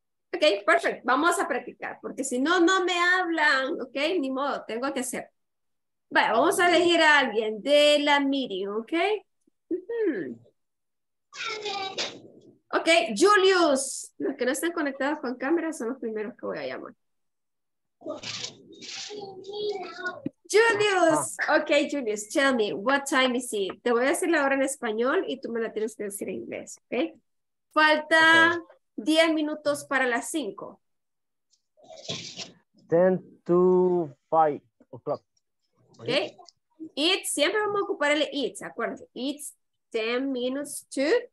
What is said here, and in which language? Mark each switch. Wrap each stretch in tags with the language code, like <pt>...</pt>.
<es>Ok, perfecto, vamos a practicar porque si no, no me hablan. Ok, ni modo, tengo que hacer. Bueno, vamos a elegir a alguien de la meeting, ok. Ok, Julius. Los que no están conectados con cámara son los primeros que voy a llamar.</es> <en>Julius, ok, Julius, tell me, what time is it?</en> <es>Te voy a decir la hora en español y tú me la tienes que decir en inglés, ok. Falta 10 minutos para las 5.</es> <en>10 to 5 o'clock.</en> <es>Ok, it's, siempre vamos a ocupar el it's, acuérdate,</es> <en>it's 10 minutes to</en>